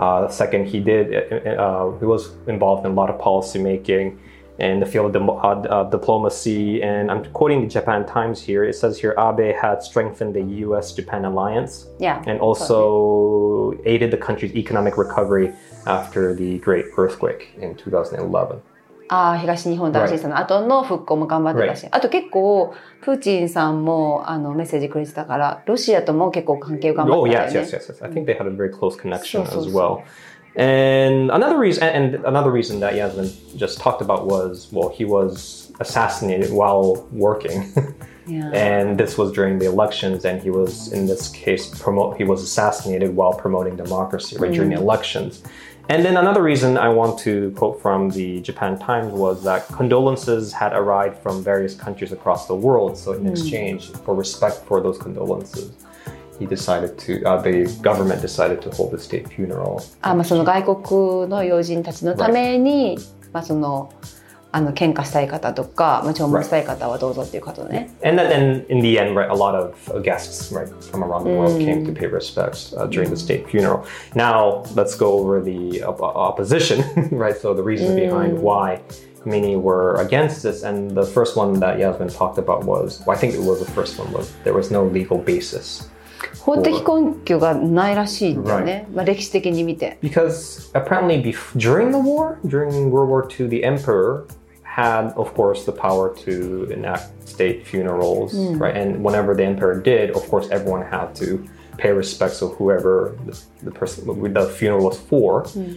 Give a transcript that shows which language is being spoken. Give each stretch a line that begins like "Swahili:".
English: Second, he did. He was involved in a lot of policy making in the field of diplomacy. And I'm quoting the Japan Times here. It says here Abe had strengthened the U.S.-Japan alliance. Yeah. And also aided the country's economic recovery after the Great Earthquake in 2011.
Japanese: Ah, 東日本大震災の後の復興も頑張ってたし、
English: right.
Japanese: あと結構プーチンさんもあのメッセージくれてたから、ロシアとも結構関係を頑張ったよね。
English: Oh yes, yes, yes. I think they had a very close connection as well. And another reason that Yasmin just talked about was, well, he was assassinated while working. Yeah. And this was during the elections, and he was in this case he was assassinated while promoting democracy right, during the elections. And then another reason I want to quote from the Japan Times was that condolences had arrived from various countries across the world. So in exchange for respect for those condolences, the government decided to hold the state funeral.
Japanese: まあ、その外国の要人たちのために、right. まあ、そのあの献花したい方とか、まあ、弔問したい方はどうぞっていうことね。
English: Right. And then in the end, right, a lot of guests right, from around the world came to pay respects during the state funeral. Now, let's go over the opposition, right? So the reason behind why many were against this. And the first one that Yasmin talked about was, well, I think it was the first one, was there was no legal basis.
Japanese: 法的根拠がないらしいんだよね。
English: Right.
Japanese: まあ歴史的に見て。
English: Because apparently during World War II, the emperor,had, of course, the power to enact state funerals, right? And whenever the emperor did, of course, everyone had to pay respects to whoever the person the funeral was for.